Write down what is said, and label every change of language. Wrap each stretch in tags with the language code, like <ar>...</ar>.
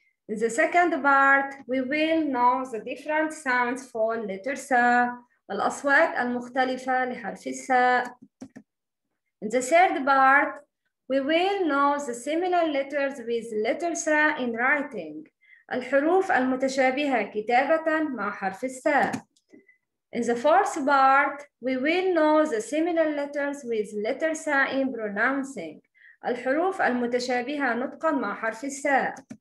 <en>In the second part, we will know the different sounds for letter Sa,</en> <ar>al-aswat al-mukhtalifa li-harf Sa.</ar> <en>In the third part, we will know the similar letters with letter Sa in writing.</en> <ar>الحروف المتشابهة كتابة مع حرف الساء.</ar> <en>In the fourth part, we will know the similar letters with letter سا in pronouncing.</en> <ar>الحروف المتشابهة نطقا مع حرف الساء.</ar>